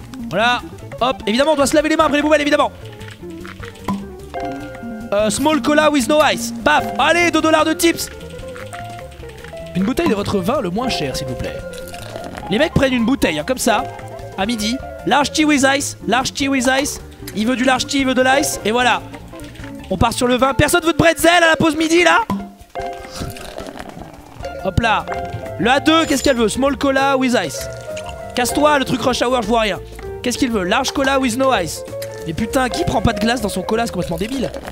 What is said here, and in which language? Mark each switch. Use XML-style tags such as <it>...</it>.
<fr>Voilà. Hop, évidemment on doit se laver les mains après les poubelles, évidemment.</fr> <en>Small cola with no ice.</en> <fr>Paf. Allez, 2$ de tips. Une bouteille de votre vin le moins cher, s'il vous plaît. Les mecs prennent une bouteille, hein, comme ça, à midi.</fr> <en>Large tea with ice, large tea with ice.</en> <fr>Il veut du</fr> <en>large tea,</en> <fr>il veut de l'ice. Et voilà. On part sur le vin. Personne veut de bretzel à la pause midi, là. Hop là. Le A2, qu'est-ce qu'elle veut?</fr> <en>Small cola with ice.</en> <fr>Casse-toi, le truc rush hour, je vois rien. Qu'est-ce qu'il veut?</fr> <en>Large cola with no ice.</en> <fr>Mais putain, qui prend pas de glace dans son cola? C'est complètement débile.</fr>